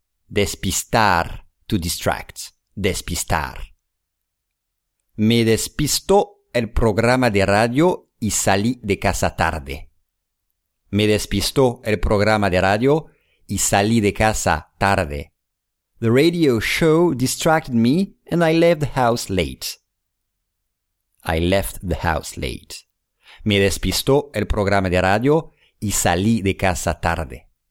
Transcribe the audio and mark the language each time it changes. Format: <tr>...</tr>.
<es>Despistar. To distract. Despistar. Me despistó el programa de radio y salí de casa tarde. Me despistó el programa de radio y salí de casa tarde.</es> <en>The radio show distracted me and I left the house late. I left the house late.</en> <es>Me despistó el programa de radio y salí de casa tarde.</es>